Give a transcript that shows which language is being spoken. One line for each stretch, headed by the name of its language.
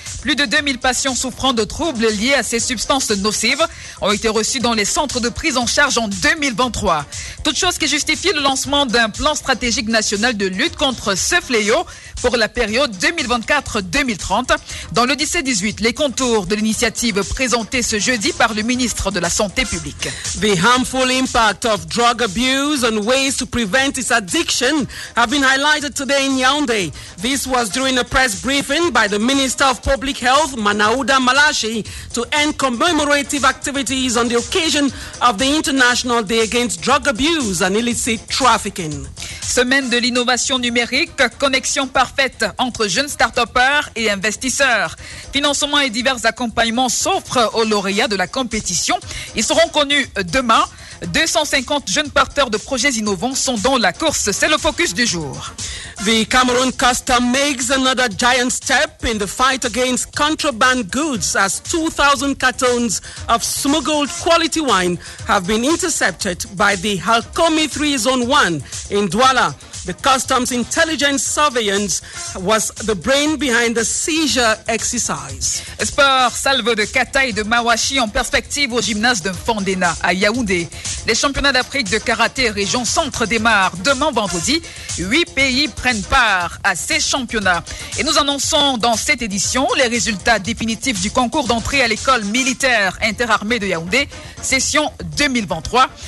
French: Plus de 2000 patients souffrant de troubles liés à ces substances nocives ont été reçus dans les centres de prise en charge en 2023. Toute chose qui justifie le lancement d'un plan stratégique national de lutte contre ce fléau pour la période 2024-2030. Dans le 17-18, les contours de l'initiative présentée ce jeudi par le ministre de la Santé publique.
English: The harmful impact of drug abuse and ways to prevent its addiction have been highlighted today in Yaoundé. This was during a press briefing by the Minister of Public Health, Manauda Malachi, to end commemorative activities on the occasion of the International Day Against Drug Abuse and Illicit Trafficking.
French: Semaine de l'innovation numérique, connexion parfaite entre jeunes start-upers et investisseurs. Financement et divers accompagnements s'offrent aux lauréats de la compétition. Ils seront connus demain. 250 jeunes porteurs de projets innovants sont dans la course. C'est le focus du jour.
English: The Cameroon Custom makes another giant step in the fight against contraband goods as 2,000 cartons of smuggled quality wine have been intercepted by the Halcomi 3 Zone 1 in Douala. The Customs Intelligence Surveillance was the brain behind the seizure exercise.
French: Sport, salve de kata et de mawashi en perspective au gymnase de Fandena à Yaoundé. Les championnats d'Afrique de karaté région centre démarrent demain vendredi. 8 pays prennent part à ces championnats. Et nous annonçons dans cette édition les résultats définitifs du concours d'entrée à l'école militaire interarmée de Yaoundé, session 2023.